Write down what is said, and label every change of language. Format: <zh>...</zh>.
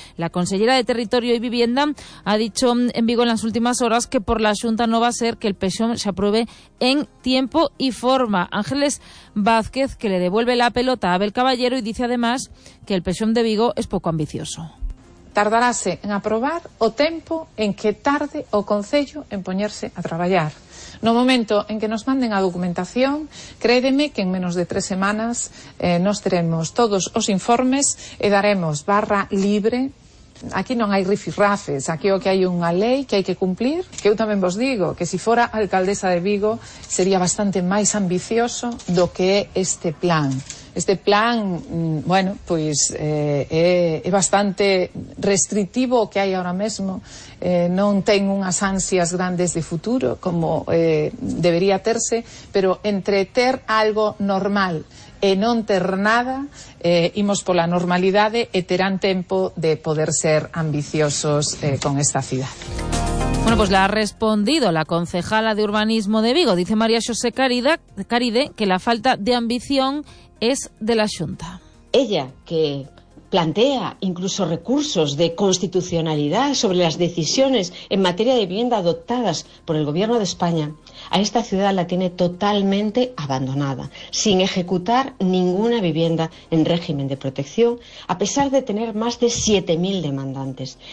<es>La consellera de Territorio y Vivienda ha dicho en Vigo en las últimas horas que por la Xunta no va a ser que el PSOE se apruebe en tiempo y forma. Ángeles Vázquez, que le devuelve la pelota a Abel Caballero, y dice además que el PSOE de Vigo es poco ambicioso.</es> <gl>Tardaráse en aprobar o tempo en que tarde o concello en poñerse a traballar. No momento en que nos manden a documentación, créedeme que en menos de 3 semanas nos teremos todos os informes e daremos barra libre. Aquí non hai rifirrafes, aquí o que hai unha lei que hai que cumplir. Que eu tamén vos digo que se fora alcaldesa de Vigo sería bastante máis ambicioso do que é este plan. Este plan, bueno, pois é bastante restritivo o que hai ahora mesmo. Non ten unhas ansias grandes de futuro como debería terse, pero entre ter algo normal e non ter nada, imos pola normalidade e terán tempo de poder ser ambiciosos con esta cidade.</gl> <es>Bueno, pues le ha respondido la concejala de Urbanismo de Vigo. Dice María José Caride que la falta de ambición es de la Xunta. Ella, que plantea incluso recursos de constitucionalidad sobre las decisiones en materia de vivienda adoptadas por el Gobierno de España, a esta ciudad la tiene totalmente abandonada, sin ejecutar ninguna vivienda en régimen de protección, a pesar de tener más de 7.000 demandantes.</es>